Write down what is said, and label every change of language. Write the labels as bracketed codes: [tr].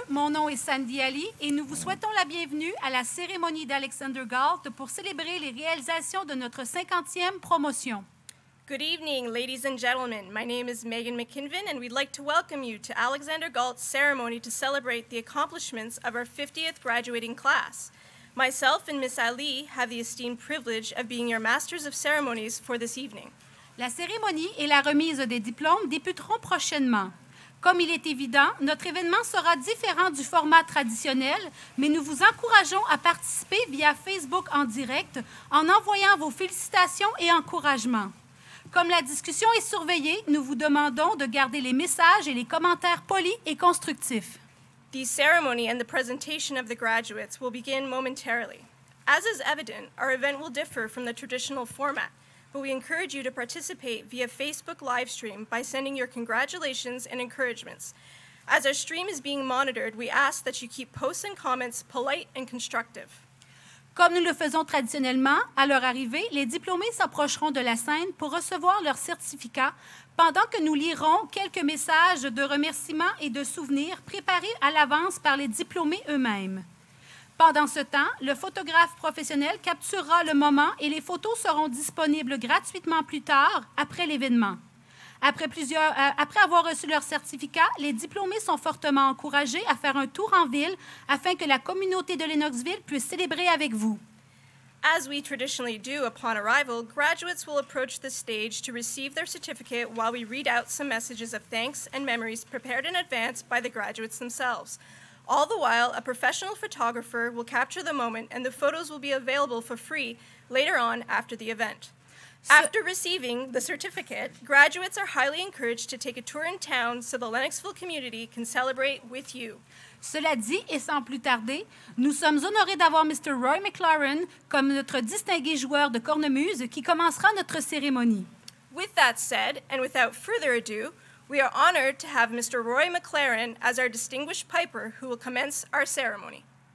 [fr] Mon nom est Sandy Ali et nous vous souhaitons la bienvenue à la cérémonie d'Alexander Galt pour célébrer les réalisations de notre 50e promotion. [en] Good evening, ladies and gentlemen. My name is Megan McKinvin, and we'd like to welcome you to Alexander Galt's ceremony to celebrate the accomplishments of our 50th graduating class. Myself and Miss Ali have the esteemed privilege of being your masters of ceremonies for this evening. [fr] La cérémonie et la remise des diplômes débuteront prochainement. Comme il est évident, notre événement sera différent du format traditionnel, mais nous vous encourageons à participer via Facebook en direct en envoyant vos félicitations et encouragements. Comme la discussion est surveillée, nous vous demandons de garder les messages et les commentaires polis et constructifs. [en] The ceremony and the presentation of the graduates will begin momentarily. As is evident, our event will differ from the traditional format, but we encourage you to participate via Facebook live stream by sending your congratulations and encouragements. As our stream is being monitored, we ask that you keep posts and comments polite and constructive. [fr] Comme nous le faisons traditionnellement, à leur arrivée, les diplômés s'approcheront de la scène pour recevoir leur certificat pendant que nous lirons quelques messages de remerciements et de souvenirs préparés à l'avance par les diplômés eux-mêmes. Pendant ce temps, le photographe professionnel capturera le moment et les photos seront disponibles gratuitement plus tard, après l'événement. Après avoir reçu leur certificat, les diplômés sont fortement encouragés à faire un tour en ville afin que la communauté de Lenoxville puisse célébrer avec vous. [en] As we traditionally do upon arrival, graduates will approach the stage to receive their certificate while we read out some messages of thanks and memories prepared in advance by the graduates themselves. All the while, a professional photographer will capture the moment and the photos will be available for free later on after the event. After receiving the certificate, graduates are highly encouraged to take a tour in town so the Lenoxville community can celebrate with you. [fr] Cela dit, et sans plus tarder, nous sommes honorés d'avoir Mr. Roy McLaren comme notre distingué joueur de cornemuse qui commencera notre cérémonie. [en] With that said, and without further ado, we are honored to have Mr. Roy McLaren as our distinguished piper who will commence our ceremony.